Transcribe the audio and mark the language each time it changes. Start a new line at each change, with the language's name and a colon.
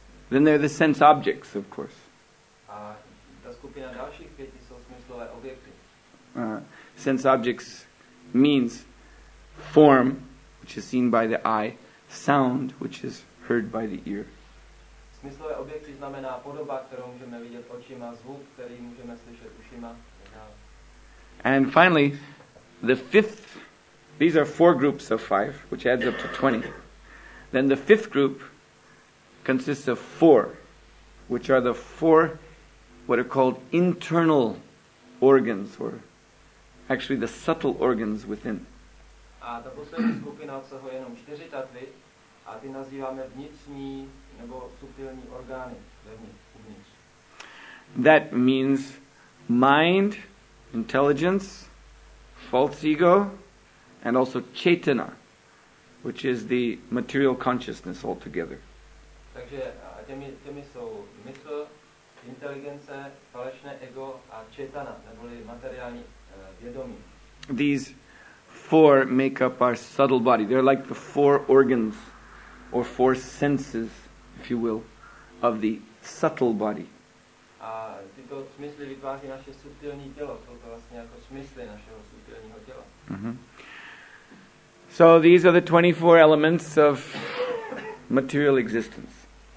English: Then there are the sense objects, of course.
Czech: Ta skupina dalších pěti jsou smyslové objekty.
English: Sense objects means form, which is seen by the eye, sound, which is heard by the ear.
Czech: Smyslové objekty znamená podoba, kterou můžeme vidět očima, zvuk, který můžeme slyšet ušima.
English: And finally, the fifth, these are 4 groups of 5, which adds up to 20. Then the fifth group consists of 4, which are the 4 what are called internal organs, or actually the subtle organs within.
Czech: A ta poslední skupina obsahuje jenom 4 tatvy, a ty nazýváme vnitřní nebo subtilní orgány uvnitř.
English: That means mind, intelligence, false ego, and also chetana, which is the material consciousness altogether.
Czech: Takže těmi jsou mysl, inteligence, falešné ego a četana, neboli materiální vědomí.
English: These 4 make up our subtle body. They're like the 4 organs, or 4 senses, if you will, of the subtle body.
Czech: A tyto smysly vytváří naše subtilní tělo. Jsou to vlastně jako smysly našeho subtilního těla.
English: So these are the 24 elements of material existence.